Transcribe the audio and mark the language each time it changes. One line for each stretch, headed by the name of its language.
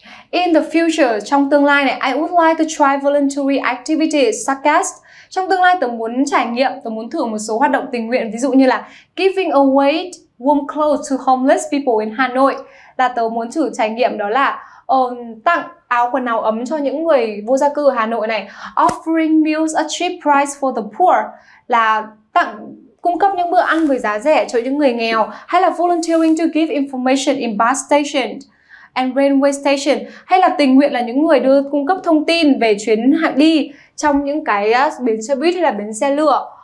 English: In the future,
Vietnamese: trong tương lai này,
English: I would like to try voluntary activities such as.
Vietnamese: Trong tương lai, tớ muốn trải nghiệm, tớ muốn thử một số hoạt động tình nguyện, ví dụ như là
English: giving away warm clothes to homeless people in Hà Nội.
Vietnamese: Là tớ muốn thử trải nghiệm đó là tặng áo quần áo ấm cho những người vô gia cư ở Hà Nội này.
English: Offering meals at cheap price for the poor.
Vietnamese: Là tặng cung cấp những bữa ăn với giá rẻ cho những người nghèo. Hay là
English: volunteering to give information in bus station and railway station.
Vietnamese: Hay là tình nguyện là những người đưa cung cấp thông tin về chuyến đi trong những cái bến xe buýt hay là bến xe lửa.